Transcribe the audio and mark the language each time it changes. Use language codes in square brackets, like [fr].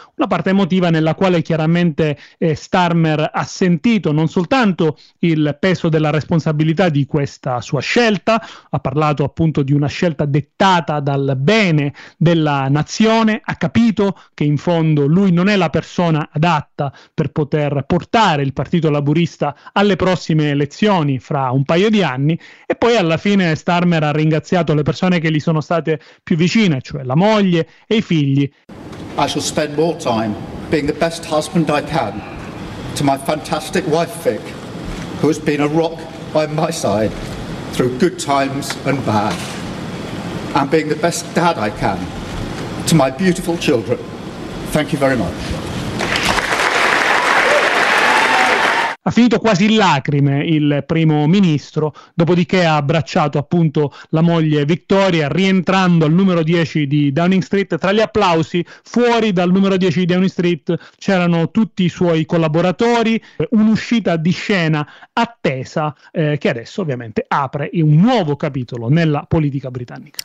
[it] una parte emotiva nella quale chiaramente Starmer ha sentito non soltanto il peso della responsabilità di questa sua scelta, ha parlato appunto di una scelta dettata dal bene della nazione, ha capito che in fondo lui non è la persona adatta per poter portare il Partito Laburista alle prossime elezioni fra un paio di anni, e poi alla fine Starmer ha ringraziato le persone che gli sono state più vicine, cioè la moglie e i figli. [en] I shall spend more time being the best husband I can to my fantastic wife Vic, who has been a rock by my side through good times and bad. And being the best dad I can to my beautiful children. Thank you very much. [it] Ha finito quasi in lacrime il primo ministro, dopodiché ha abbracciato appunto la moglie Victoria, rientrando al numero 10 di Downing Street. Tra gli applausi, fuori dal numero 10 di Downing Street c'erano tutti i suoi collaboratori, un'uscita di scena attesa che adesso ovviamente apre un nuovo capitolo nella politica britannica.